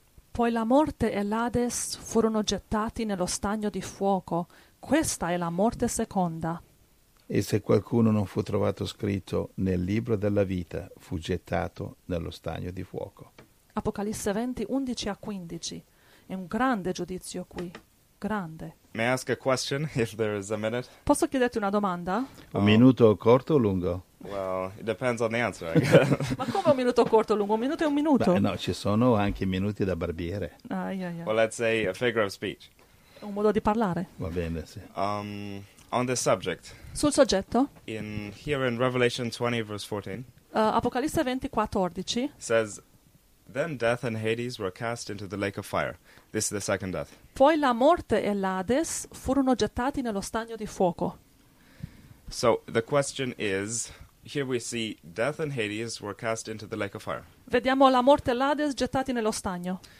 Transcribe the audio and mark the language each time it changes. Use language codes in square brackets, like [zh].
[it] Poi la morte e l'Ades furono gettati nello stagno di fuoco. Questa è la morte seconda. E se qualcuno non fu trovato scritto nel libro della vita, fu gettato nello stagno di fuoco. Apocalisse 20, 11 a 15. È un grande giudizio qui. Grande. [en] May I ask a question, if there is a minute? [it] Posso chiederti una domanda? Un minuto corto o lungo? [en] Well, it depends on the answer, I guess. [it] Ma come un minuto corto o lungo? Un minuto è un minuto. Beh, no, ci sono anche minuti da barbiere. Ah. [en] Well, let's say a figure of speech. [it] Un modo di parlare. Va bene, sì. [en] On the subject. [it] Sul soggetto. [en] Here in Revelation 20, verse 14. [it] Apocalisse 20, 14. [en] Says, then death and Hades were cast into the lake of fire. This is the second death. [it] Poi la morte e l'Hades furono gettati nello stagno di fuoco. [en] So the question is, here we see death and Hades were cast into the lake of fire. [it] Vediamo la morte e l'Hades gettati nello stagno.